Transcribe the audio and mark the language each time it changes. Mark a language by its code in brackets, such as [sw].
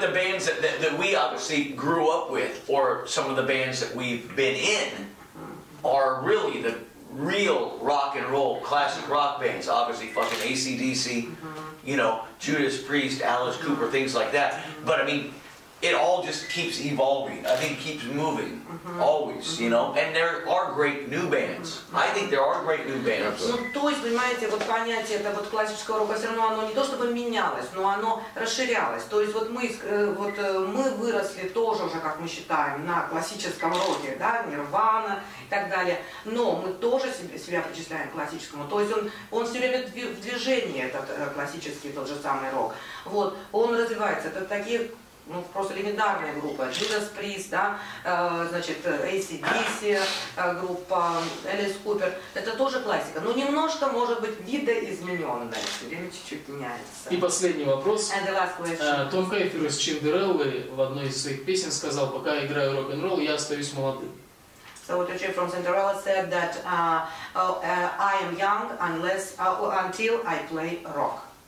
[en] the bands that we obviously grew up with, or some of the bands that we've been in, are really the real rock and roll, classic rock bands, obviously fucking AC/DC, you know, Judas Priest, Alice Cooper, things like that. But I mean, it all just keeps evolving. I think it keeps moving, always, you know. And there are great new bands. I think there are great new bands. [ru] Ну, то есть, понимаете, вот понятие это вот классического рока все равно оно не то чтобы менялось, но оно расширялось. То есть вот мы выросли тоже уже, как мы считаем, на классическом роке, да, Нирвана и так далее. Но мы тоже себя причисляем к классическому. То есть он все время в движении, этот классический тот же самый рок. Вот, он развивается. Это такие. Ну, просто легендарная группа, Judas Priest, да, значит, AC/DC группа, Элис Купер, это тоже классика, но немножко, может быть, видоизмененная, все время чуть-чуть меняется. И последний вопрос. Том Хейфер из Чиндереллы в одной из своих песен сказал, пока я играю рок-н-ролл, я остаюсь молодым. [en] So the chief from Cinderella said that I am young until I play rock.